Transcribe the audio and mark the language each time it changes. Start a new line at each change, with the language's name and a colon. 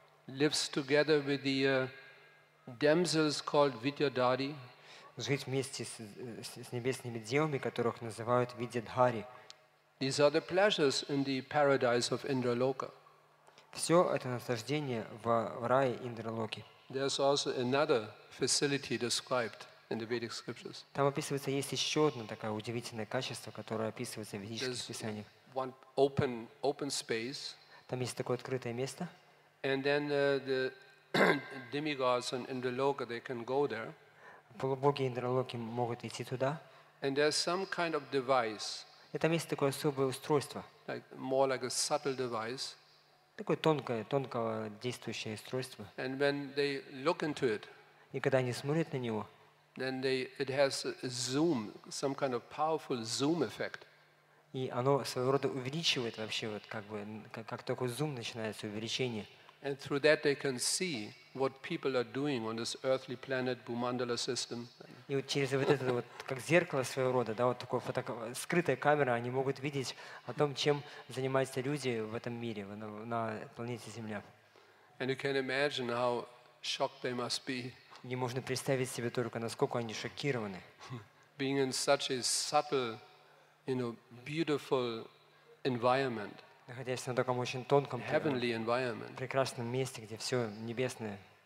English: Lives together with the damsels called Vidyadhari.
Russian: Жить вместе с небесными девами, которых называют Видьядхари.
English: These are the pleasures in the paradise of Indraloka.
Russian: Все это наслаждение в рае Индралоки.
English: There is also another facility described in the Vedic scriptures.
Russian: Там описывается есть еще одно такое удивительное качество, которое описывается в ведических писаниях.
English: One open space.
Russian: Там есть такое открытое место.
English: And then the demigods in Indraloka, they can go there.
Russian: Полубоги Индралоки могут идти туда.
English: And there's some kind of device.
Russian: И там есть такое особое устройство.
English: Like, more like a subtle device.
Russian: Такое тонкое, тонкого действующее устройство.
English: And when they look into it,
Russian: и когда они смотрят на него,
English: then they, it has a zoom, some kind of powerful zoom effect.
Russian: И оно своего рода увеличивает вообще вот как бы как такой зум начинается увеличение.
English: And through that they can see what people are doing on this earthly planet Bhumandala system.
Russian: И вот через вот это вот как зеркало своего рода, да, вот такое скрытая камера, они могут видеть о том, чем занимаются люди в этом мире, на планете Земля.
English: And you can imagine how shocked they must be.
Russian: И можно представить себе только, насколько они шокированы.
English: Being in such a subtle, you know, beautiful environment.
Russian: Находясь на таком очень тонком,
English: heavenly environment,
Russian: прекрасном месте, где все небесное.